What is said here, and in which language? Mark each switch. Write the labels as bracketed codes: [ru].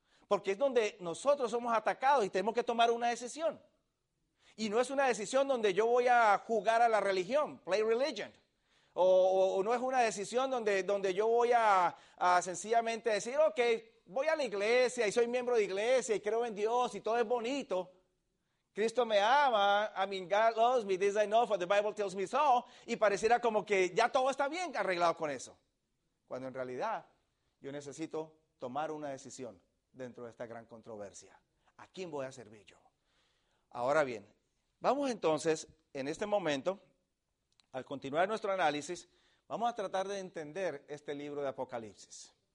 [es] Porque es donde nosotros somos atacados y tenemos que tomar una decisión. Y no es una decisión donde yo voy a jugar a la religión, [en] play religion. [es] O no es una decisión donde yo voy a sencillamente decir, ok, voy a la iglesia y soy miembro de iglesia y creo en Dios y todo es bonito. Cristo me ama, [en] I mean, God loves me, this I know, for the Bible tells me so. [es] Y pareciera como que ya todo está bien arreglado con eso. Cuando en realidad yo necesito tomar una decisión dentro de esta gran controversia. ¿A quién voy a servir yo? Ahora bien, vamos entonces en este momento, al continuar nuestro análisis, vamos a tratar de entender este libro de Apocalipsis.